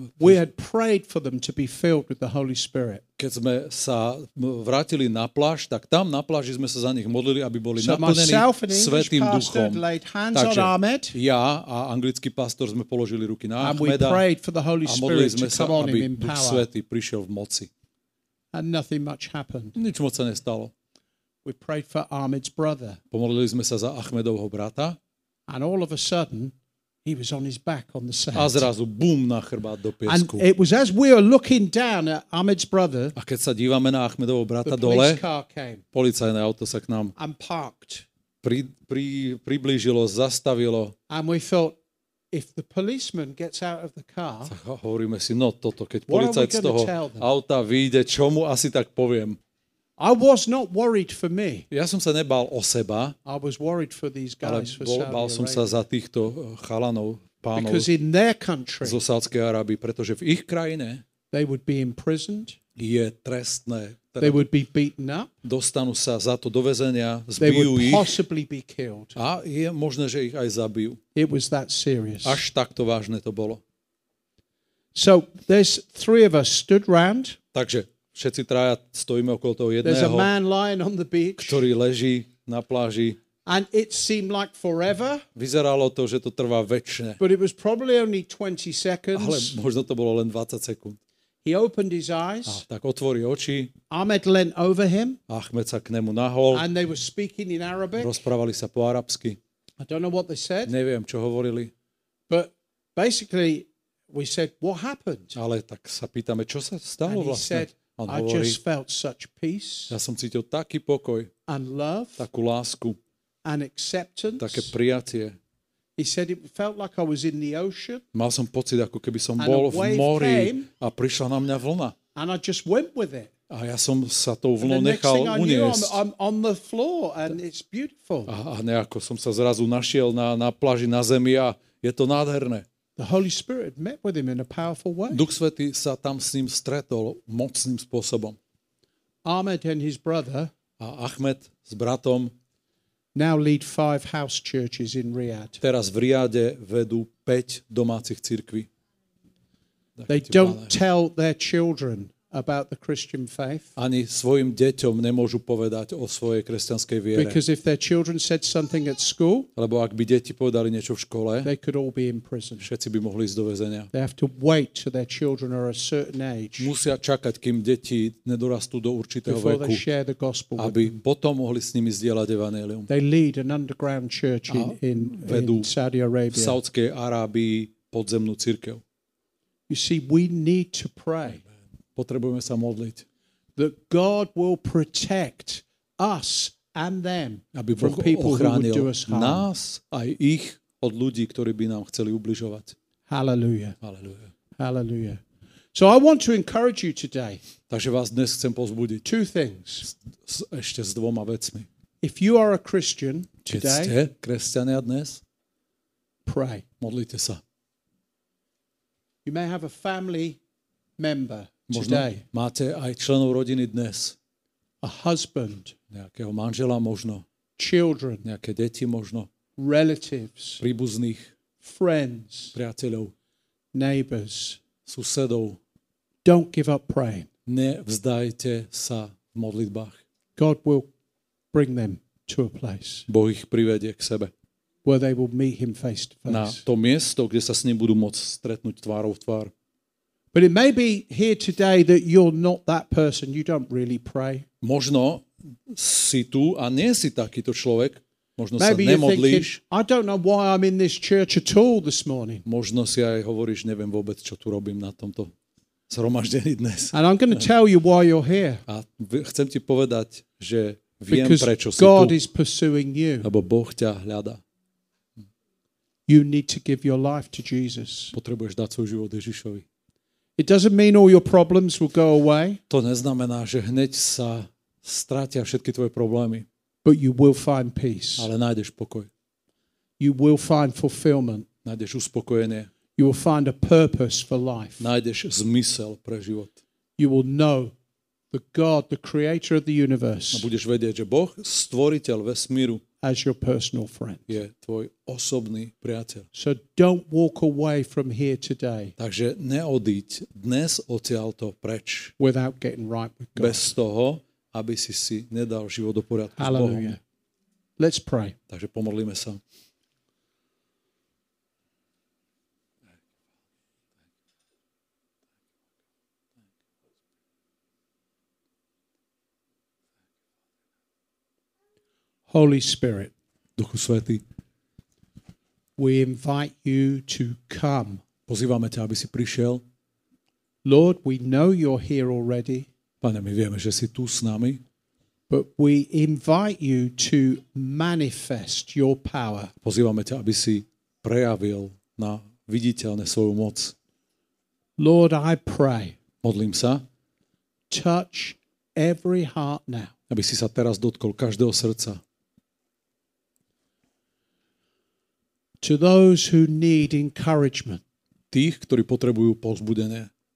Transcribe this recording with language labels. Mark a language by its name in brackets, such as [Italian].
[English] We had prayed for them to be filled with the Holy Spirit. [Slovak] Keď sme sa vrátili na pláž, tak tam na pláži sme sa za nich modlili, aby boli naplnení Svätým Duchom. Takže ja a anglický pastor sme položili ruky na Ahmeda. [English] We prayed for the Holy Spirit. [Slovak] A modlili sme sa, aby Duch Svätý prišiel v moci. [English] And nothing much happened. [Slovak] Nič moc sa nestalo. [English] We prayed for Ahmed's brother. [Slovak] Pomodlili sme sa za Ahmedovho brata. [English] And all of a sudden he was on his back on the sand. [Slovak] A zrazu boom na chrbát do piesku. [English] And it was as we were looking down at Ahmed's brother. [Slovak] A keď sa dívame na Ahmedovho brata dole. Policajné auto sa k nám. [English] And parked. [Slovak] Priblížilo, zastavilo. [English] And we thought if the policeman gets out of the car. [Slovak] Tak hovoríme si, no toto keď policajt z toho auta vyjde, čo mu asi tak poviem? [English] I was not worried for me. [Slovak] Ja som sa nebál o seba. [English] I was worried for these guys, [Slovak] ale bál som sa za týchto chalanov, pánov. [English] Because in their country, [Slovak] zo Saudskej Arábie, pretože v ich krajine, [English] they would be imprisoned. [Slovak] Je trestné. [English] They would be beaten up. [Slovak] Dostanú sa za to do väzenia, zbijú [English] they would Possibly be killed. [Slovak] A je možné, že ich aj zabijú. [English] It was that serious. [Slovak] Až takto vážne to bolo. [English] So there's 3 of us stood round. [Slovak] Takže všetci traja stojíme okolo toho jedného, [English] a man lying on the beach, [Slovak] ktorý leží na pláži. [English] And it seemed like forever. [Slovak] Vyzeralo to, že to trvá večne. [English] But it was probably only 20 seconds. [Slovak] Ale možno to bolo len 20 sekúnd. [English] He opened his eyes. [Slovak] A tak otvorí oči. [English] Ahmed leant over him. [Slovak] Ahmed sa k nemu nahol. [English] And they were speaking in Arabic. [Slovak] Rozprávali sa po arabsky. [English] I don't know what they said. [Slovak] Neviem, čo hovorili. [English] But basically we said, what happened? [Slovak] Ale tak sa pýtame, čo sa stalo vlastne. [English] And he said, I just felt such peace. [Slovak] Ja som cítil taký pokoj. [English] And love. [Slovak] Takú lásku. [English] And acceptance. [Slovak] Také prijatie. [English] He said it felt like I was in the ocean. [Slovak] Mal som pocit, ako keby som bol v mori a prišla na mňa vlna. [English] And I just went with it. [Slovak] A ja som sa tou vlnou nechal uniesť. [English] I'm on the floor and it's beautiful. [Slovak] A nejako som sa zrazu našiel na pláži na zemi a je to nádherné. [English] The Holy Spirit met with him in a powerful way. [Slovak] Duch Svätý sa tam s ním stretol mocným spôsobom. [English] Ahmed and his brother. [Slovak] A Ahmed s bratom. [English] Now lead 5 house churches in Riyadh. [Slovak] Teraz v Riade vedú 5 domácich cirkví. [English] They don't tell their children about the Christian faith. [Slovak] Ani svojim deťom nemôžu povedať o svojej kresťanskej viere. [English] Because if their children said something at school, [Slovak] alebo ak by deti povedali niečo v škole, [English] they could all be in prison. [Slovak] Všetci by mohli ísť do väzenia. [English] They have to wait till their children are a certain age. [Slovak] Musia čakať, kým deti nedorastú do určitého veku, [English] before they share the gospel, [Slovak] aby potom mohli s nimi zdieľať evanjelium. [English] They lead an underground church in Saudi Arabia. [Slovak] V Saudskej Arábii podzemnú cirkev. [English] You see, we need to pray. [Slovak] Potrebujeme sa modliť. [English] That God will protect us and them. [Slovak] Aby Boh ochránil nás aj ich od ľudí, ktorí by nám chceli ubližovať. [English] Hallelujah. [Slovak] Hallelujah. [English] Hallelujah. So I want to encourage you today. [Slovak] Takže vás dnes chcem povzbudiť. [English] Two things. [Slovak] Ešte s dvoma vecmi. [English] If you are a Christian today, [Slovak] keď ste kresťania dnes, [English] pray. [Slovak] Modlite sa. [English] You may have a family member. [Slovak] Možno máte aj členov rodiny dnes. [English] A husband, [Slovak] nejakého manžela možno. [English] Children, [Slovak] nejaké deti možno. [English] Relatives, [Slovak] príbuzných. [English] Friends, [Slovak] priateľov. [English] Neighbors, [Slovak] susedov. [English] Don't give up praying. [Slovak] Nevzdajte sa v modlitbách. [English] God will bring them to a place. [Slovak] Boh ich privedie k sebe. [English] Where they will meet him face to face. [Slovak] Na to miesto, kde sa s ním budú môcť stretnúť tvárou v tvár. [English] But it may be here today that you're not that person. You don't really pray. [Slovak] Možno si tu a nie si takýto človek. Možno sa nemodlíš. [English] I don't know why I'm in this church at all this morning. [Slovak] Možno si aj hovoríš, neviem vôbec, čo tu robím na tomto zhromaždení dnes. [English] And I'm going to tell you why you're here. [Slovak] A chcem ti povedať, že viem, [English] because [Slovak] prečo si [English] God [Slovak] tu. [English] Is pursuing you. [Slovak] Lebo Boh ťa hľadá. [English] You need to give your life to Jesus. [Slovak] Potrebuješ dať svoj život Ježišovi. [English] It doesn't mean all your problems will go away. [Slovak] To neznamená, že hneď sa stratia všetky tvoje problémy. [English] But you will find peace. [Slovak] Ale nájdeš pokoj. [English] You will find fulfillment. [Slovak] Nájdeš uspokojenie. [English] You will find a purpose for life. [Slovak] Nájdeš zmysel pre život. [English] You will know the God, the creator of the universe. [Slovak] A budeš vedieť, že Boh, stvoriteľ vesmíru, [English] as your personal friend. [Slovak] Je tvoj osobný priateľ. [English] So don't walk away from here today. [Slovak] Takže neodíď dnes odtiaľto preč. [English] Without getting right with God. [Slovak] Bez toho, aby si si nedal život do poriadku. [English] Hallelujah. [Slovak] S Bohom. [English] Let's pray. [Slovak] Takže pomodlíme sa. [English] Holy Spirit, [Slovak] Duchu Svätý, [English] we invite you to come. [Slovak] Pozývame ťa, aby si prišiel. [English] Lord, we know you're here already. [Slovak] Pane, my vieme, že si tu s nami. [English] But we invite you to manifest your power. [Slovak] Pozývame ťa, aby si prejavil na viditeľne svoju moc. [English] Lord, I pray. [Slovak] Modlím sa. [English] Touch every heart now. [Slovak] Aby si sa teraz dotkol každého srdca. [English] To those who need encouragement. [Slovak] Tých, ktorí potrebujú povzbudenie.